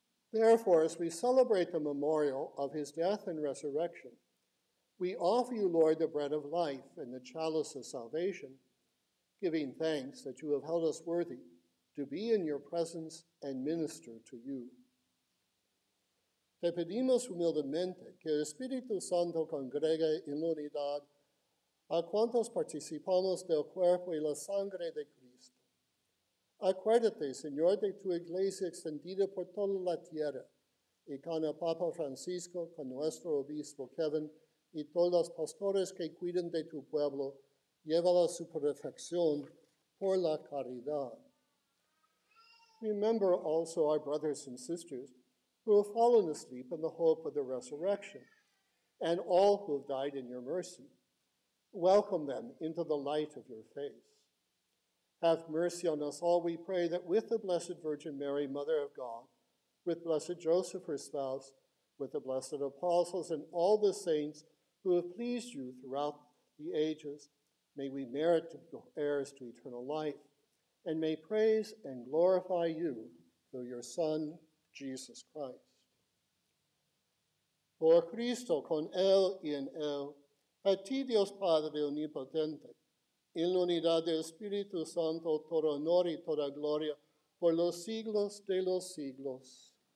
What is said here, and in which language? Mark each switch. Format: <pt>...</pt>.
<en>Therefore, as we celebrate the memorial of his death and resurrection, we offer you, Lord, the bread of life and the chalice of salvation, giving thanks that you have held us worthy to be in your presence and minister to you.</en> <es>Te pedimos humildemente que el Espíritu Santo congregue en unidad a cuantos participamos del cuerpo y la sangre de Cristo. Acuérdate, Señor, de tu iglesia extendida por toda la tierra y con el Papa Francisco, con nuestro obispo Kevin y todos los pastores que cuidan de tu pueblo, llévala a su perfección por la caridad.</es> <en>Remember also our brothers and sisters who have fallen asleep in the hope of the resurrection, and all who have died in your mercy. Welcome them into the light of your face. Have mercy on us all, we pray, that with the Blessed Virgin Mary, Mother of God, with Blessed Joseph, her spouse, with the blessed apostles and all the saints who have pleased you throughout the ages, may we merit to be heirs to eternal life, and may praise and glorify you through your Son, Jesus Christ.</en> <es>Por Cristo, con él y en él, a ti Dios Padre omnipotente, en la unidad del Espíritu Santo, todo honor y toda gloria, por los siglos de los siglos.</es>